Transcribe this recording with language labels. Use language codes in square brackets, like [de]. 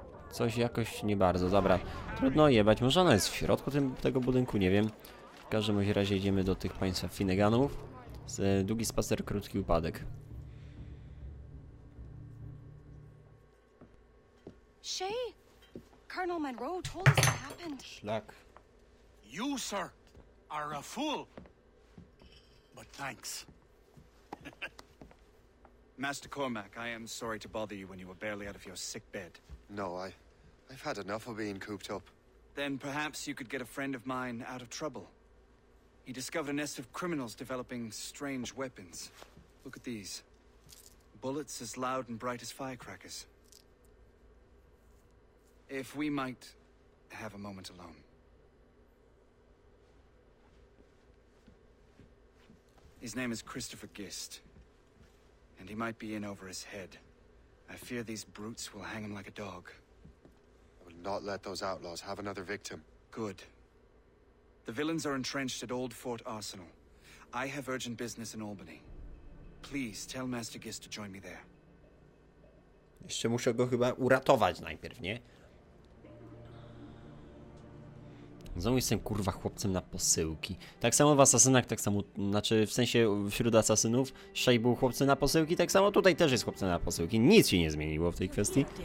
[pl] Coś jakoś nie bardzo, dobra. Trudno jebać, może ona jest w środku tego budynku, nie wiem. W każdym razie idziemy do tych państwa Finneganów. Długi spacer, krótki upadek. [en] Shay, Colonel Monroe told us what happened. Schlack. You, sir, are a fool. But thanks. Master Cormac, I am sorry to bother you when you were barely out of your sick bed. No, I've had enough of being cooped up. Then perhaps you could get a friend of mine out of trouble. He discovered a nest of criminals developing strange weapons. Look at these. Bullets as loud and bright as firecrackers. If we might have a moment alone. His name is Christopher Gist. And he might be in over his head. I fear these brutes will hang him like a dog. I will not let those outlaws have another victim. Good. The villains are entrenched at Old Fort Arsenal. I have urgent business in Albany. Please tell Master Gist to join me there. [pl] Jeszcze muszę go chyba uratować najpierw, nie? Znowu jestem, kurwa, chłopcem na posyłki. Tak samo w asasynach, tak samo, znaczy w sensie wśród asasynów Shay był chłopcem na posyłki, tak samo tutaj też jest chłopcem na posyłki. Nic się nie zmieniło w tej kwestii.